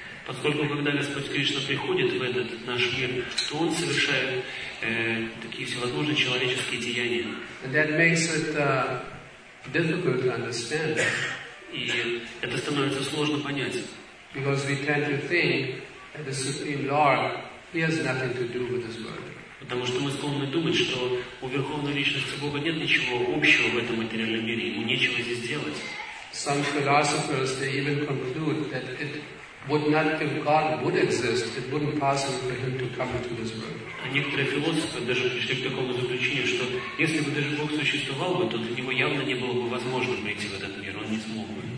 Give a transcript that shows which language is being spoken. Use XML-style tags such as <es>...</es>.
<ru>Поскольку когда Господь Кришна приходит в этот наш мир, то он совершает такие всевозможные человеческие деяния.</ru> <en>And that makes it difficult to understand.</en> <ru>И это становится сложно понять.</ru> <en>Because we tend to think that the Supreme Lord He has nothing to do with this world.</en> <ru>Потому что мы склонны думать, что у Верховной Личности Бога нет ничего общего в этом материальном мире, ему нечего здесь делать.</ru> <en>Some philosophers, they even conclude that it would not, if God would exist, it wouldn't possible for him to come into this world.</en> <ru>А некоторые философы даже пришли к такому заключению, что если бы даже Бог существовал бы, то для него явно не было бы возможно прийти в этот мир, он не смог бы.</ru>